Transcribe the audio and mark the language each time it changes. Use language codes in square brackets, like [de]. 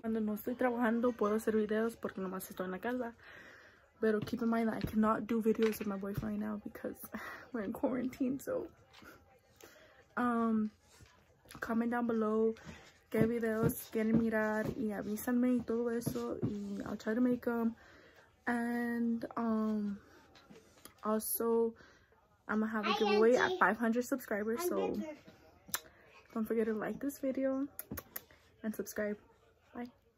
[es] Cuando no estoy trabajando, puedo hacer videos porque nomás estoy en la casa. [en] Pero keep in mind that I cannot do videos with my boyfriend right now because we're in quarantine, so. Comment down below [es] qué videos quieren mirar y avísame y todo eso. [en] Y I'll try to make them. And, also, I'm gonna have a giveaway at 500 subscribers, so don't forget to like this video and subscribe. Bye.